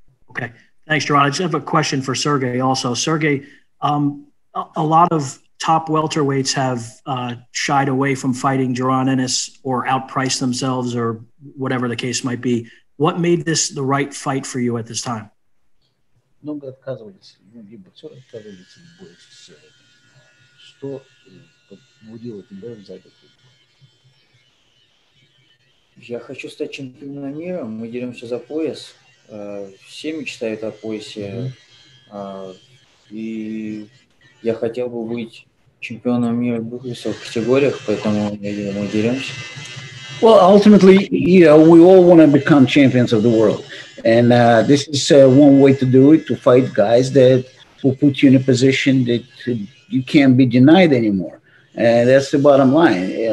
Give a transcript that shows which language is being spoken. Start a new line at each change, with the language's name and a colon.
English: Okay. Thanks, Jaron. I just have a question for Sergey also. Sergey, a lot of top welterweights have shied away from fighting Jaron Ennis or outpriced themselves or whatever the case might be. What made this the right fight for you at this time?
Russian: Много отказывались. Многие боксеры отказывались от боя. Что побудило тебя взять этот бой? Я хочу стать чемпионом мира. Мы деремся за пояс. Все мечтают о поясе. И я хотел бы быть чемпионом мира в двух весовых категориях, поэтому мы деремся.
English: Well, ultimately, you know, we all want to become champions of the world. And this is one way to do it, to fight guys that will put you in a position that you can't be denied anymore. And that's the bottom line.